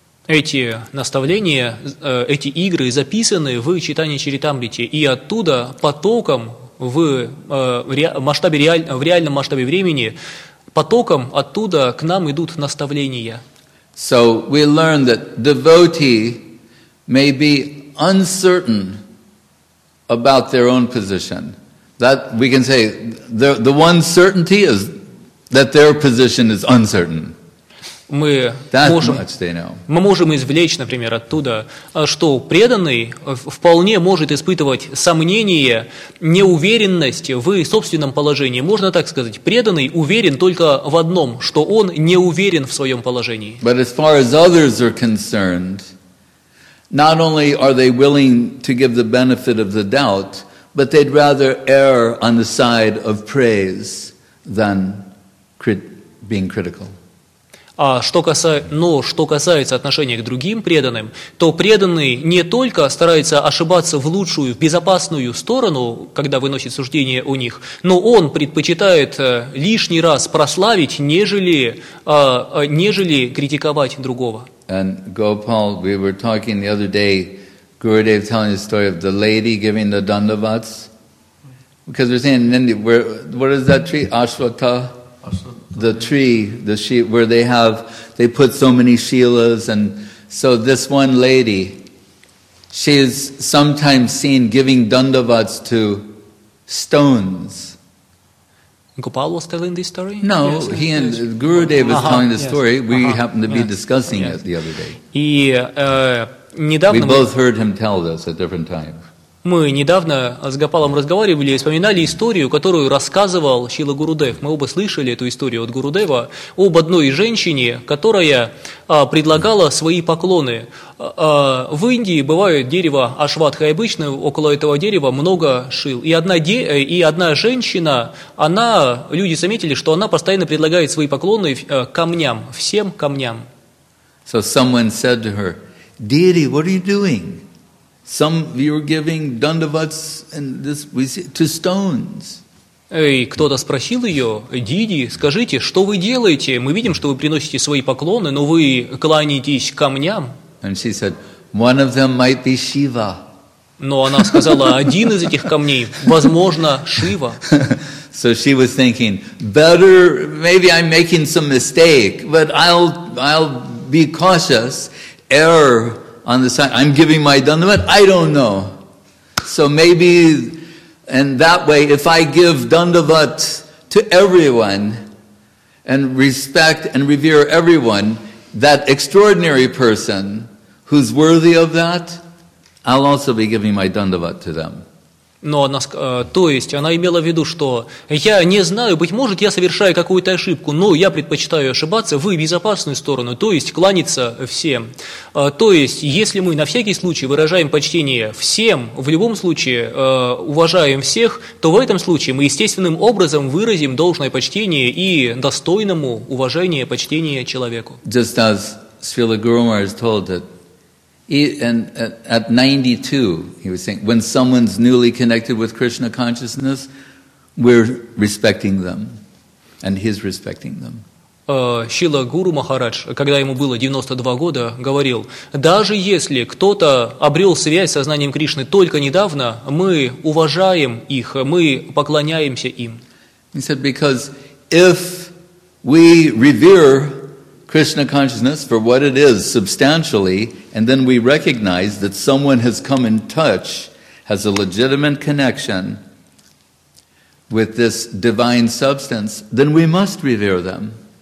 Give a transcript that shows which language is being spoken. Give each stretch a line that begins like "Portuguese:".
Russian: Эти наставления, эти игры записаны в Чайтанья Чаритамрите, и оттуда потоком в реальном масштабе времени потоком оттуда к нам идут наставления.
English: So we learn that devotee may be uncertain about their own position. That we can say the one certainty is that their position is uncertain.
Russian: Мы можем извлечь, например, оттуда, что преданный вполне может испытывать сомнение, неуверенность в собственном положении. Можно так сказать, преданный уверен только в одном, что он не уверен в своем положении.
English: But as far as others are concerned, not only are they willing to give the benefit of the doubt, but they'd rather err on the side of praise than being critical.
Russian: Но что касается отношения к другим преданным, то преданный не только старается ошибаться в лучшую, в безопасную сторону, когда выносит суждение о них, но он предпочитает лишний раз прославить, нежели критиковать другого.
English: And Gopal, we were talking the other day, Gurudev telling the story of the lady giving the dandavats. Because we're saying, what is that tree? Ashwata? The tree, the sheep, where they put so many shilas, and so this one lady, she is sometimes seen giving dandavats to stones. Gopal was telling this story? No, yes, he and yes. Gurudev was telling the story. We happened to be discussing it the other day.
Russian: Недавно
English: we both heard him tell this at different times.
Russian: Мы недавно с Гопалом разговаривали и вспоминали историю, которую рассказывал Шрила Гурудев. Мы оба слышали эту историю от Гурудева об одной женщине, которая предлагала свои поклоны. В Индии бывает дерево Ашватха, и обычно около этого дерева много шил. И одна женщина, люди заметили, что она постоянно предлагает свои поклоны камням, всем камням.
English: So someone said to her, "Deity, what are you doing? Some you're giving dandavats and this we see, to stones."
Russian: И кто-то спросил ее: "Диди, скажите, что вы делаете? Мы видим, что вы приносите свои поклоны, но вы кланяетесь камням."
English: And she said, "One of them might be Shiva."
Russian: Но она сказала: "Один из этих камней, возможно, Шива."
English: So she was thinking, "Better, maybe I'm making some mistake, but I'll be cautious. Error." On the side, I'm giving my dandavat. I don't know, so maybe, and that way, if I give dandavat to everyone, and respect and revere everyone, that extraordinary person who's worthy of that, I'll also be giving my dandavat to them.
Russian: Но она, то есть, она имела в виду, что я не знаю, быть может, я совершаю какую-то ошибку, но я предпочитаю ошибаться в безопасную сторону, то есть кланяться всем. То есть, если мы на всякий случай выражаем почтение всем, в любом случае уважаем всех, то в этом случае мы естественным образом выразим должное почтение и достойному уважение, почтение человеку.
English: Just as Srila Guru Maharaj told it. And at 92, he was saying, when someone's newly connected with Krishna consciousness, we're respecting them, and he's respecting them.
Russian: Шрила Гуру Махарадж, когда ему было 92 года, говорил, даже если кто-то обрел связь с сознанием Кришны только недавно, мы уважаем их, мы поклоняемся им.
English: He said, because if we revere Krishna consciousness for what it is substantially, and then we recognize that someone has come in touch, has a legitimate connection with this divine substance, then we must revere them.